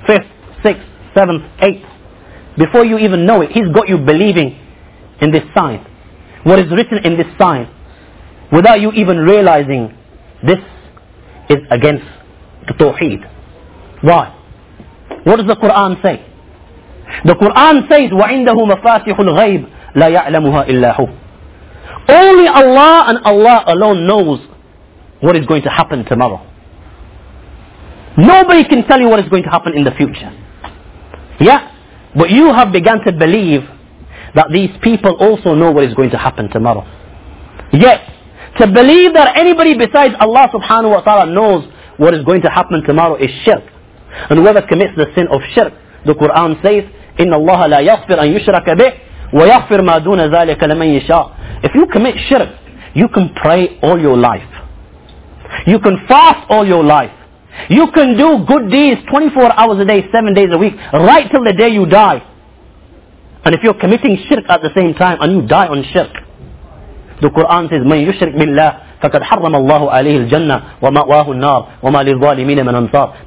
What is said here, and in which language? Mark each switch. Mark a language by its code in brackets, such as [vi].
[en] Fifth, sixth, seventh, eighth. Before you even know it, he's got you believing in this sign. What is written in this sign, without you even realizing, this is against the Tawheed. Why? What does the Quran say? The Quran says, [ar] وَعِنْدَهُ مَفَاتِحُ الْغَيْبِ لَا يَعْلَمُهَا إِلَّا هُ. [en] Only Allah and Allah alone knows what is going to happen tomorrow. Nobody can tell you what is going to happen in the future. Yeah, but you have begun to believe that these people also know what is going to happen tomorrow. Yet, to believe that anybody besides Allah subhanahu wa ta'ala knows what is going to happen tomorrow is shirk. And whoever commits the sin of shirk, the Quran says, [ar] إِنَّ اللَّهَ لَا يَغْفِرْ أَنْ يُشْرَكَ بِهِ وَيَغْفِرْ مَا دُونَ ذَلِكَ لَمَنْ يَشَاءُ. [en] If you commit shirk, you can pray all your life. You can fast all your life. You can do good deeds 24 hours a day, 7 days a week, right till the day you die. And if you're committing shirk at the same time, and you die on shirk, the Quran says, [ar] مَنْ يُشْرِكْ بِاللَّهِ فَقَدْ حَرَّمَ اللَّهُ عَلَيْهِ الْجَنَّةِ وَمَأْوَاهُ النَّارِ وَمَا لِلْظَالِمِينَ مِنْ أَنْصَارِ.